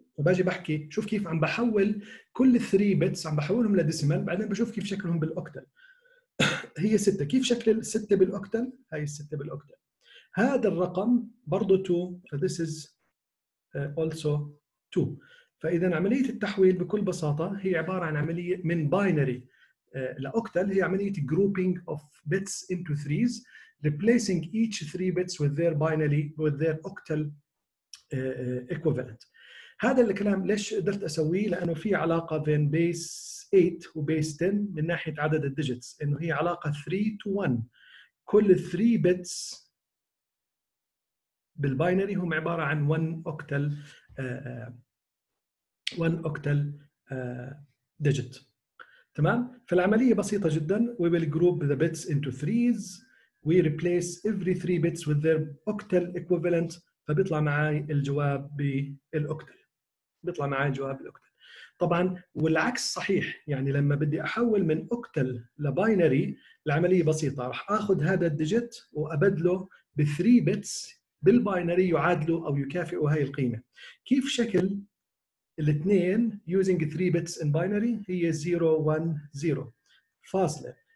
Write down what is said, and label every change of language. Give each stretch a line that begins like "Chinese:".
Arabic: فباجي بحكي شوف كيف عم بحول كل 3 bits عم بحولهم لديسيمال، بعدين بشوف كيف شكلهم بالأكتل. هي 6. كيف شكل 6 بالأكتل؟ هاي 6 بالأكتل. هذا الرقم برضو 2، ف
English: this is also 2.
Arabic: فإذا عملية التحويل بكل بساطة هي عبارة عن عملية من binary لأكتل، هي عملية
English: grouping of bits into threes replacing each 3 bits with their binary with their octal equivalent.
Arabic: هذا الكلام ليش قدرت أسويه؟ لأنه في علاقة بين base 8 وبيس 10 من ناحية عدد الديجيتس، إنه هي علاقة
English: 3 to 1.
Arabic: كل 3 bits بالباينري هم عبارة عن 1 octal 1 octal digit. تمام؟ فالعملية بسيطة جدا.
English: We will group the bits into threes. We replace every 3 bits with their octal equivalent.
Arabic: فبيطلع معي الجواب بالأكتل. بيطلع معي الجواب بالأكتل. طبعا والعكس صحيح، يعني لما بدي احول من اوكتل لباينري العمليه بسيطه، راح اخذ هذا الديجيت وابدله ب 3 بيتس بالباينري يعادله أو يكافئه هاي القيمة. كيف شكل الاثنين
English: using three bits in binary؟
Arabic: هي 0 1 0 فاصلة.